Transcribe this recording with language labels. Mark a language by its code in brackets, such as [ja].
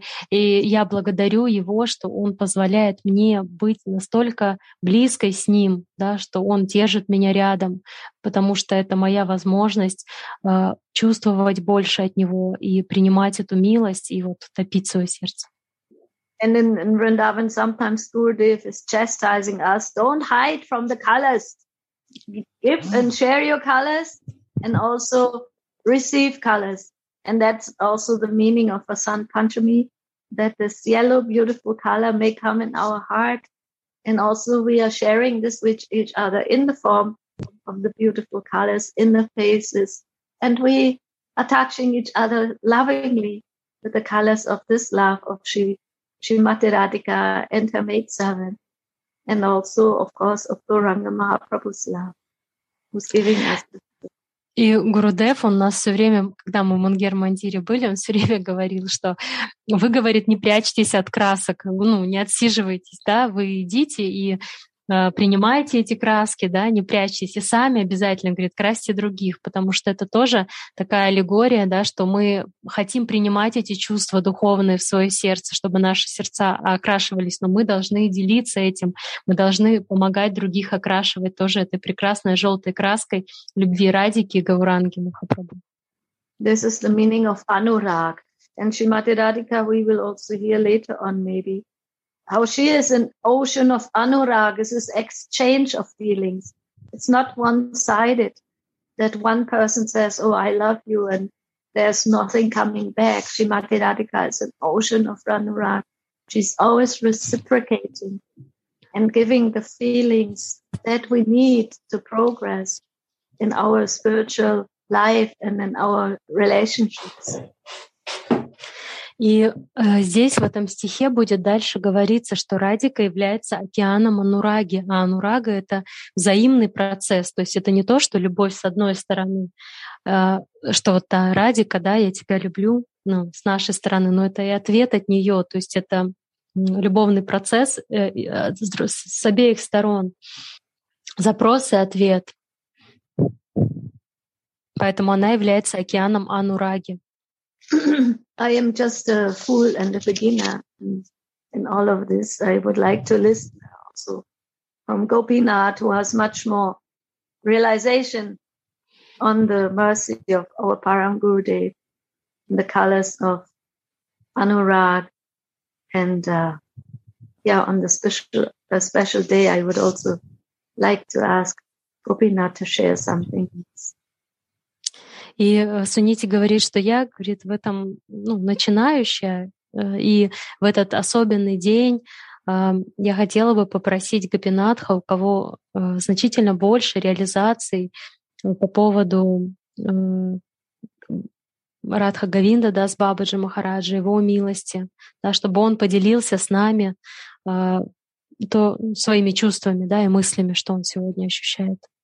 [ru] И я благодарю его, что он позволяет мне быть настолько близкой с ним, да, что он держит меня рядом, потому что это моя возможность чувствовать больше от него и принимать эту милость и вот топить свое сердце. [en] And in Vrindavan sometimes Gurudev is chastising us, don't hide from the colors. Give and share your colors and also receive colors. And that's also the meaning of Vasant Panchami, that this yellow, beautiful color may come in our heart. And also we are sharing this with each other in the form of the beautiful colors in the faces. And we are touching each other lovingly with the colors of this love of Srimati Radhika and her maidservant. And also, of course, of Gauranga Mahaprabhu's love, who's giving us this. [ru] И Гурудев, он нас все время, когда мы в Мангер Мандире были, он все время говорил, что вы, говорит, не прячьтесь от красок, ну, не отсиживайтесь, да, вы идите и принимайте эти краски, да, не прячьтесь, и сами обязательно, говорит, красьте других, потому что это тоже такая аллегория, да, что мы хотим принимать эти чувства духовные в свое сердце, чтобы наши сердца окрашивались, но мы должны делиться этим, мы должны помогать других окрашивать тоже этой прекрасной желтой краской любви Радики и Гауранги Махапрабху. [en] This is the meaning of anurag, And Srimati Radhika, we will also hear later on maybe, how she is an ocean of anurag, is this exchange of feelings. It's not one-sided that one person says, oh, I love you, and there's nothing coming back. Srimati Radhika is an ocean of anurag. She's always reciprocating and giving the feelings that we need to progress in our spiritual life and in our relationships. [ru] И здесь, в этом стихе, будет дальше говориться, что Радика является океаном Анураги. А Анурага — это взаимный процесс. То есть это не то, что любовь с одной стороны, что вот та Радика, да, я тебя люблю, ну, с нашей стороны, но это и ответ от нее. То есть это любовный процесс с обеих сторон. Запрос и ответ. Поэтому она является океаном Анураги. [en] I am just a fool and a beginner in all of this. I would like to listen also from Gopinath, who has much more realization on the mercy of our Param Gurudev and the colors of Anurag. And on the special day, I would also like to ask Gopinath to share something. [ru] И Сунити говорит, что я, говорит, в этом, ну, начинающая, и в этот особенный день я хотела бы попросить Гопинатха, у кого значительно больше реализаций по поводу Радха Говинда, да, с Бабаджи Махараджи, его милости, да, чтобы он поделился с нами то своими чувствами, да, и мыслями, что он сегодня ощущает.